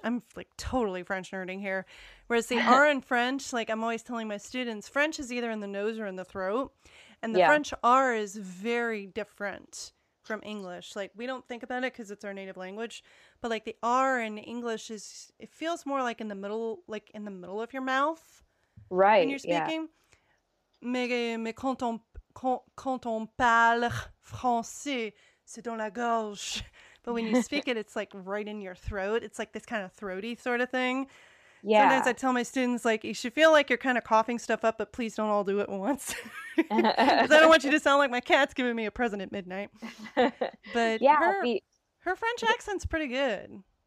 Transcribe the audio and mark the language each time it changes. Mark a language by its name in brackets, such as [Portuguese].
[English] I'm like totally French nerding here. Whereas the R in French, like I'm always telling my students, French is either in the nose or in the throat. And the French R is very different from English. Like, we don't think about it because it's our native language, but like the R in English is, it feels more like in the middle of your mouth. Right. When you're speaking, [French] mais quand on parle français, c'est dans la gorge. [English] But when you speak it, it's like right in your throat. It's like this kind of throaty sort of thing. Yeah. Sometimes I tell my students, like, you should feel like you're kind of coughing stuff up, but please don't all do it once. Because I don't want you to sound like my cat's giving me a present at midnight. But yeah, her French accent's pretty good.